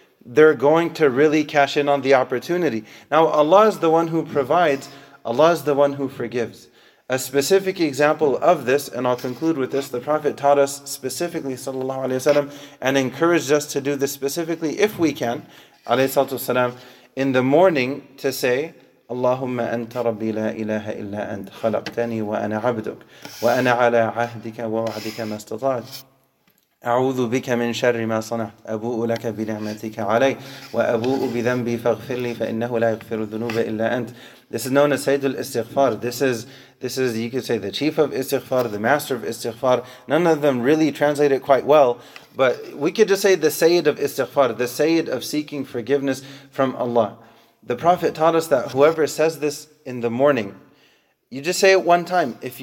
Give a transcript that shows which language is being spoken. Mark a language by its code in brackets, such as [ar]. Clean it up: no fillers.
[en] They're going to really cash in on the opportunity. Now, Allah is the one who provides. Allah is the one who forgives. A specific example of this, and I'll conclude with this, the Prophet taught us specifically, sallallahu alayhi wa sallam, and encouraged us to do this specifically, if we can, alayhi salatu wa sallam, in the morning to say, [ar] اللهم أنت ربي لا إله إلا أنت خلقتني وأنا عبدك وأنا على عهدك ووعدك ما استطعت أعوذ بك من شر ما صنعت أبوء لك بنعمتك علي وأبوء بذنبي فاغفر لي فإنه لا يغفر الذنوب إلا أنت. [en] This is known as سيد الاستغفار. This is you could say the chief of istighfar, the master of istighfar. None of them really translate it quite well, but we could just say the Sayyid of istighfar, the Sayyid of seeking forgiveness from Allah. The Prophet taught us that whoever says this in the morning, you just say it one time.